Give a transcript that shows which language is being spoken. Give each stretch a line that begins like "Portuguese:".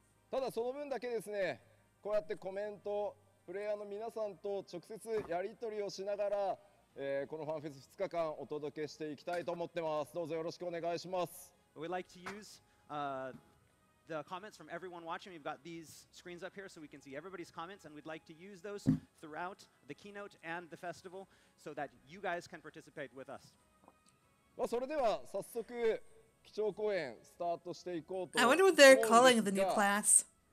Japanese: ただその分だけですね、こうやってコメント、プレイヤーの皆さんと直接やり取りをしながら、このファンフェス2日間お届けしていきたいと思ってます。どうぞよろしくお願いします。
English: We'd like to use, the comments from everyone watching. We've got these screens up here so we can see everybody's comments, and we'd like to use those throughout the keynote and the festival so that you guys can participate with us.
Japanese: まあそれでは早速基調講演スタートしていこうと。
English: I wonder what they're calling the new class.